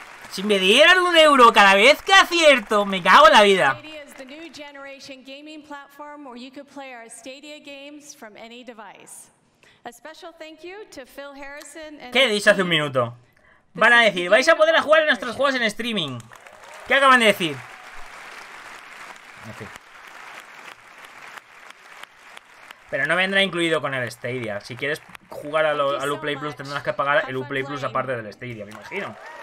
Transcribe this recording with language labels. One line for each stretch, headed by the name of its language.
Spanish: Si me dieran un euro cada vez que acierto, me cago en la vida.
English: Stadia is the new generation gaming platform where you could play our Stadia games from any device. A special thank you to Phil Harrison and...
Spanish: ¿Qué dice hace un minuto? Van a decir, vais a poder jugar en nuestros juegos en streaming. ¿Qué acaban de decir? Pero no vendrá incluido con el Stadia. Si quieres jugar al Uplay Plus, tendrás que pagar el Uplay Plus aparte del Stadia, me imagino.